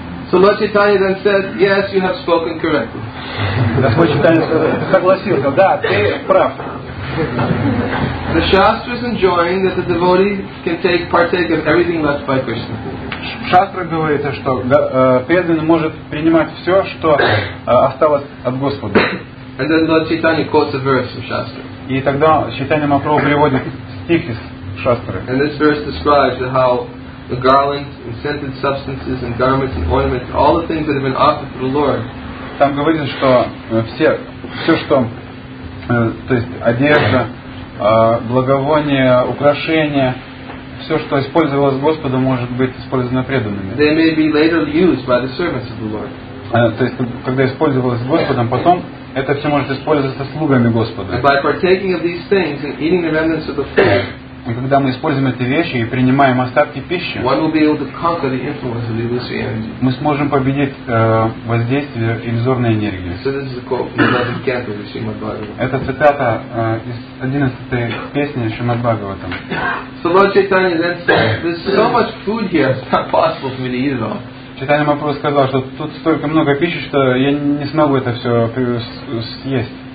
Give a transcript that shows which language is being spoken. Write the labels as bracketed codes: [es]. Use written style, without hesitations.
[en] So Lord Chaitanya then said, yes, you have spoken correctly. [ru] Господь Чайтанья согласился, да, ты прав. [en] The Shastras enjoin that the devotee can partake of everything left by Krishna. [ru] Шастра говорит, что преданный может принимать все, что осталось от Господа. [en] And then Lord Chaitanya quotes a verse of Shastra. [ru] И тогда Чайтанья Махапрабху приводит стих из Шастры. [en] And this verse describes how the garlands and scented substances and garments and ornaments, all the things that have been offered to the Lord. [ru] Там говорится, что все что то есть одежда, благовония, украшения, все, что использовалось Господом, может быть использовано преданными. [en] They may be later used by the servants of the Lord. [ru] То есть, когда использовалось Господом, потом это все может использоваться слугами Господа. [en] And by partaking of these things and eating the remnants of the food, [ru] и когда мы используем эти вещи и принимаем остатки пищи, [en] one will be able to conquer the influence of the illusory energy. [ru] Мы сможем победить воздействие иллюзорной энергии. [en] So this is a quote from the 11th canto of Srimad Bhagavatam. [ru] Это цитата из 11-й песни Шримад Бхагаватам. [en] So Lord Chaitanya then said, there's so much food here, it's not possible for me to eat it all. [ru] Чайтанья Махапрабху сказал, что тут столько много пищи, что я не смогу это все съесть.